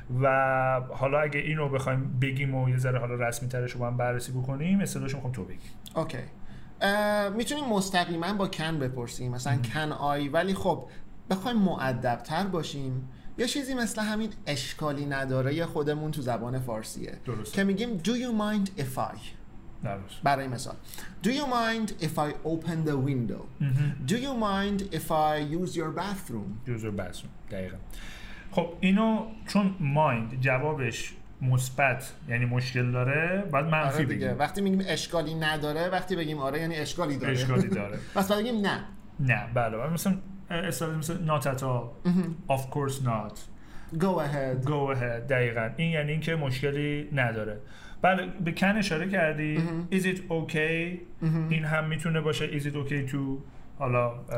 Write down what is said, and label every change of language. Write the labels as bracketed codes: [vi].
[fa] و حالا اگه اینو بخوایم بگیم و یه ذره حالا رسمی ترش رو با هم بررسی بکنیم، استدلالش میخوام تو بگی. اوکی. میتونیم مستقیما با کن بپرسیم، مثلا کن آی، ولی خب بخوایم مؤدب تر باشیم یه چیزی مثل همین اشکالی نداره یه خودمون تو زبان فارسیه. درست. که میگیم [en] do you mind if I، [fa] درست. برای مثال [en] do you mind if I open the window، do you mind if I use your bathroom، use your bathroom. [fa] دقیقا. خب اینو چون mind جوابش مثبت یعنی مشکل داره، بعد منفی آره بگیم. وقتی میگیم اشکالی نداره، وقتی بگیم آره یعنی اشکالی داره، اشکالی داره. پس باید بگیم نه، نه بله. مثلا استاد مثل [en] not at all، of course not، go ahead. [fa] دقیقاً این یعنی این که مشکلی نداره. بله به can اشاره کردی. [en] Is it okay؟ [fa] این هم میتونه باشه [en] is it okay to [fa] حالا